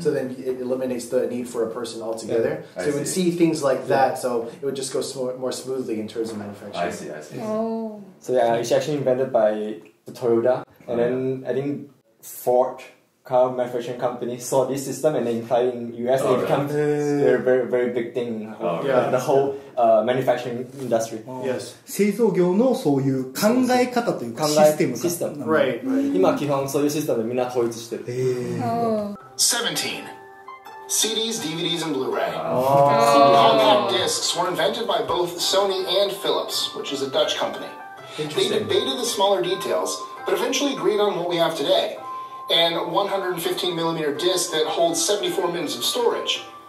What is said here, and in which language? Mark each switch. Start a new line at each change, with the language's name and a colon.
English: So then it eliminates the need for a person altogether. Yeah, so you would see things like that, so it would just go more smoothly in terms of manufacturing. I see. So yeah, it's actually invented by the Toyota. And then I think Ford car manufacturing company saw this system and then implied in US and it becomes a very, very, very big thing in the whole manufacturing industry. Yes.
Japanese: 製造業のそういう考え方というかシステムか。システム。
English: Right.
Japanese: 今基本そういうシステムでみんな統一してる。
English: 17. CDs, DVDs, and Blu-ray. Compact discs were invented by both Sony and Philips, which is a Dutch company. Interesting. They debated the smaller details. But eventually agreed on what we have today, an 115mm disc that holds 74 minutes of storage.